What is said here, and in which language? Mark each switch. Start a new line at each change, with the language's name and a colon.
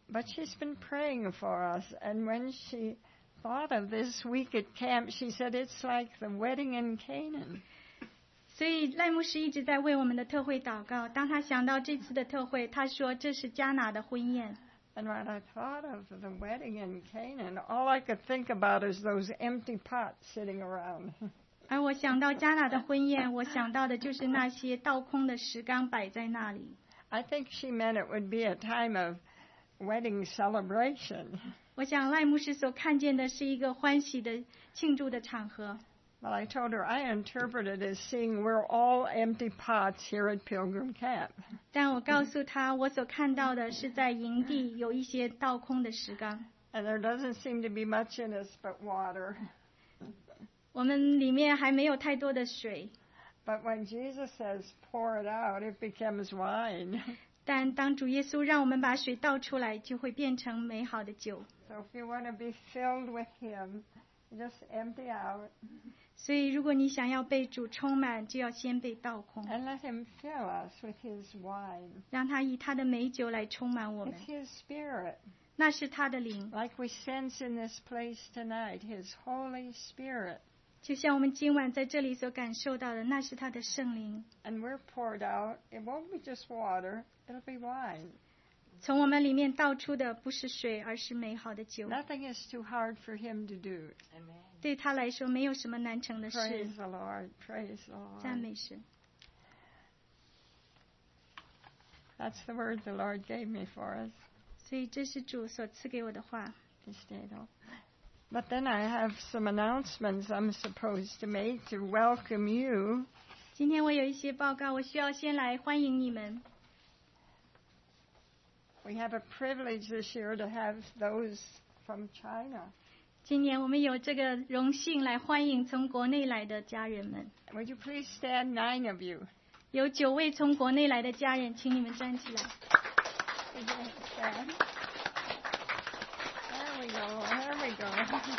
English: But she's been praying for us, and when she thought of this week at camp, she said it's like the wedding in Canaan.
Chinese: 所以赖牧师一直在为我们的特会祷告。当他想到这次的特会，他说这是迦拿的婚宴。
English: And when I thought of the wedding in Canaan, all I could think about is those empty pots sitting around.
Chinese: 而我想到迦拿的婚宴，我想到的就是那些倒空的石缸摆在那里。
English: I think she meant it would be a time of wedding celebration.
Chinese: 我想赖牧师所看见的是一个欢喜的庆祝的场合。
English: Well, I told her I interpreted as seeing we're all empty pots here at Pilgrim Camp.
Chinese: 但我告诉她，我所看到的是在营地有一些倒空的石缸。
English: And there doesn't seem to be much in us but water.
Chinese: 我们里面还没有太多的水。
English: But when Jesus says pour it out, it becomes wine.
Chinese: 但当主耶稣让我们把水倒出来，就会变成美好的酒。
English: So if you want to be filled with Him, just empty out.
Chinese: 所以如果你想要被主充满，就要先被倒空。
English: And let Him fill us with His wine.
Chinese: 让他以他的美酒来充满我们。
English: It's His Spirit.
Chinese: 那是他的灵。
English: Like we sense in this place tonight, His Holy Spirit.
Chinese: 就像我们今晚在这里所感受到的，那是他的圣灵。
English: And we're poured out. It won't be just water. It'll be wine.
Chinese: 从我们里面倒出的不是水，而是美好的酒。
English: Nothing is too hard for Him to do. Amen.
Chinese: 对他来说，没有什么难成的事。
English: Praise the Lord. Praise the Lord.
Chinese: 赞美神。
English: That's the word the Lord gave me for us.
Chinese: 所以这是主所赐给我的话。
English: But then I have some announcements I'm supposed to make to welcome you.
Chinese: 今天我有一些报告，我需要先来欢迎你们。
English: We have a privilege this year to have those from China.
Chinese: 今年我们有这个荣幸来欢迎从国内来的家人们。
English: Would you please stand, nine of you?
Chinese: 有九位从国内来的家人，请你们站起来。
English: There we go.